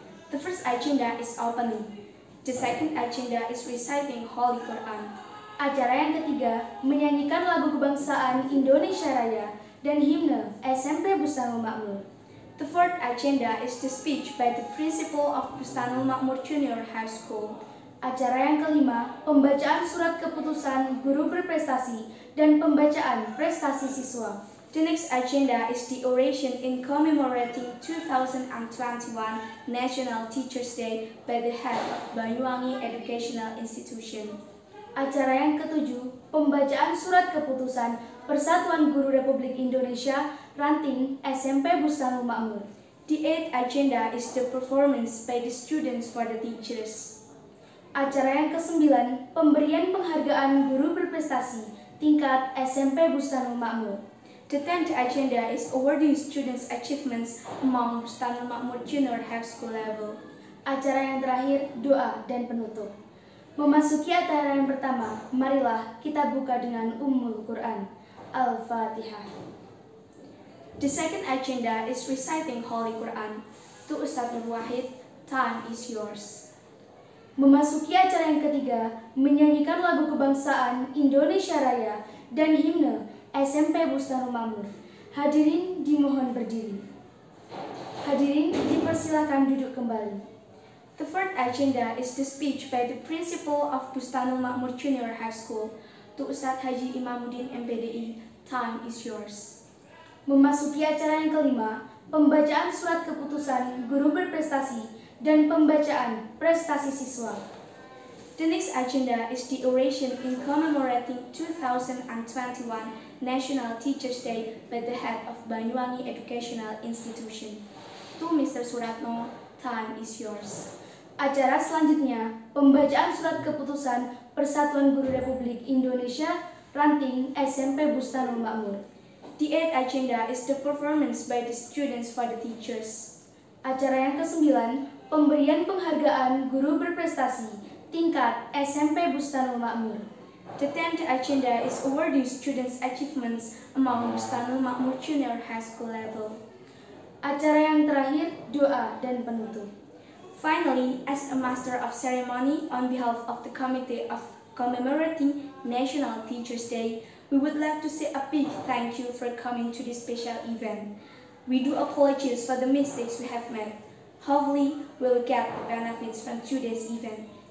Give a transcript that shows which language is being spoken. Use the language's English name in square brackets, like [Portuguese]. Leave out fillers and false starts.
[English] The first agenda is opening. The second agenda is reciting Holy Quran. [Indonesian] Acara yang ketiga, menyanyikan lagu kebangsaan Indonesia Raya dan himne SMP Bustanul Makmur. [English] The fourth agenda is the speech by the principal of Bustanul Makmur Junior High School. [Indonesian] Acara yang kelima, pembacaan surat keputusan guru berprestasi dan pembacaan prestasi siswa. [English] The next agenda is the oration in commemorating 2021 National Teachers Day by the head of Banyuwangi Educational Institution. [Indonesian] Acara yang ketujuh, pembacaan surat keputusan Persatuan Guru Republik Indonesia Ranting SMP Bustanul Makmur. [English] The eighth agenda is the performance by the students for the teachers. [Indonesian] Acara yang kesembilan, pemberian penghargaan guru berprestasi tingkat SMP Bustanul Makmur. [English] The tenth agenda is awarding students' achievements among Bustanul Makmur Junior High School level. [Indonesian] Acara yang terakhir, doa dan penutup. Memasuki acara yang pertama, marilah kita buka dengan Ummul Quran, Al-Fatihah. [English] The second agenda is reciting Holy Quran to Ustaz Nur Wahid, time is yours. [Indonesian] Memasuki acara yang ketiga, menyanyikan lagu kebangsaan Indonesia Raya dan himne SMP Bustanul Makmur. Hadirin dimohon berdiri. Hadirin dipersilakan duduk kembali. [English] The fourth agenda is the speech by the principal of Bustanul Makmur Junior High School to Ustaz Haji Imamuddin MPDI, time is yours. [Indonesian] Memasuki acara yang kelima, pembacaan surat keputusan guru berprestasi dan pembacaan prestasi siswa. [English] The next agenda is the oration in commemorating 2021 National Teachers Day by the head of Banyuwangi Educational Institution. To Mr. Suratno, time is yours. [Indonesian] Acara selanjutnya, pembacaan surat keputusan Persatuan Guru Republik Indonesia Ranting SMP Bustanul Makmur. [English] The eighth agenda is the performance by the students for the teachers. [Indonesian] Acara yang kesembilan, pemberian penghargaan guru berprestasi tingkat SMP Bustanul Makmur. [English] The tenth agenda is awarding students' achievements among Bustanul Makmur Junior High School level. [Indonesian] Acara yang terakhir, doa dan penutup. [English] Finally, as a master of ceremony on behalf of the Committee of Commemorating National Teachers Day, we would like to say a big thank you for coming to this special event. We do apologize for the mistakes we have made. Hopefully, we will get the benefits from today's event.